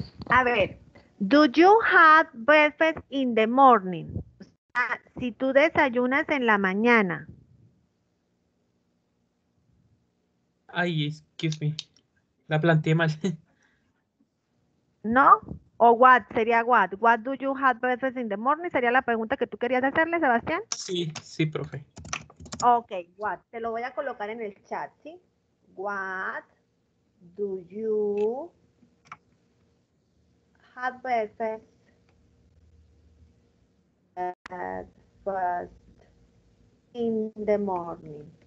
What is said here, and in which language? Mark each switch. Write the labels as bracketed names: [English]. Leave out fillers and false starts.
[Spanish] A ver, [English] do you have breakfast in the morning? [Spanish] O sea, si tú desayunas en la mañana. Ay, [English] excuse me. [Spanish] La planteé mal. ¿No? ¿O what? Sería what. [English] What do you have breakfast in the morning? [Spanish] Sería la pregunta que tú querías hacerle, Sebastián. Sí, sí, profe. [English] Ok, what. [Spanish] Te lo voy a colocar en el chat, ¿sí? [English] What do you have breakfast in the morning?